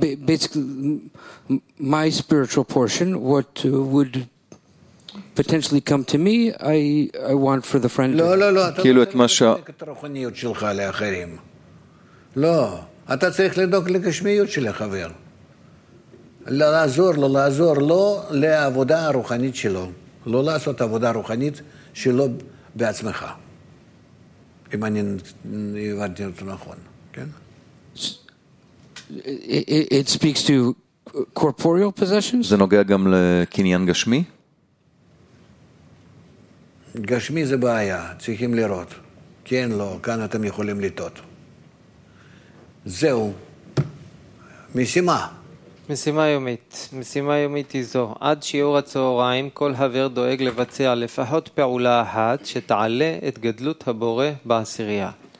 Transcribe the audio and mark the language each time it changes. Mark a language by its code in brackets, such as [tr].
[en] Basically, my spiritual portion, what would potentially come to me, I want for the friend. [he] לא, לא, לא. כאילו את מה ש... את הרוחניות שלך לאחרים. לא. אתה צריך לדאוג לגשמיות של החבר. לעזור לו, לעזור לו לעבודה הרוחנית שלו. לא לעשות עבודה רוחנית שלו בעצמך. אם אני הבנתי אותו נכון, כן? [en] It speaks to corporeal possessions? [he] זה נוגע גם לקניין גשמי? גשמי זה בעיה, צריכים לראות. כן, לא, כאן אתם יכולים לטעות. זהו. משימה. משימה יומית. משימה יומית היא זו. עד שיעור הצהריים כל חבר דואג לבצע לפחות פעולה אחת שתעלה את גדלות הבורא בעשירייה.